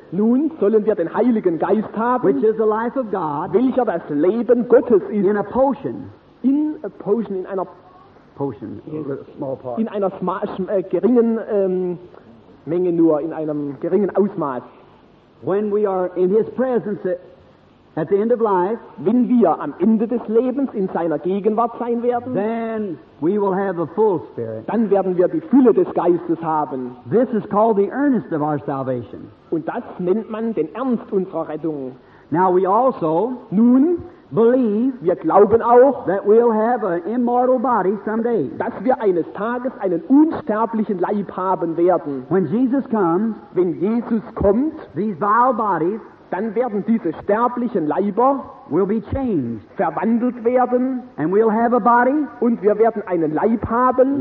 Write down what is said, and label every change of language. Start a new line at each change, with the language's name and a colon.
German: nun sollen wir den Heiligen Geist haben,
English: which is the life of God,
German: welcher das Leben Gottes ist,
English: in a potion, in a potion,
German: in einer
English: potion, yes. Small part.
German: In einer geringen Menge nur, in einem geringen Ausmaß.
English: When we are in his presence at the end of life,
German: wenn wir am Ende des Lebens in seiner Gegenwart sein werden,
English: then we will have the full spirit.
German: Dann werden wir die Fülle des Geistes haben.
English: This is called the earnest of our salvation.
German: Und das nennt man den Ernst unserer Rettung.
English: Now we also,
German: nun,
English: believe,
German: wir glauben auch,
English: that we'll have an immortal body someday.
German: Dass wir eines Tages einen unsterblichen Leib haben werden.
English: When Jesus comes,
German: wenn Jesus kommt,
English: these vile bodies,
German: dann werden diese sterblichen Leiber
English: will be changed,
German: verwandelt werden,
English: and we'll have a body,
German: und wir werden einen Leib haben,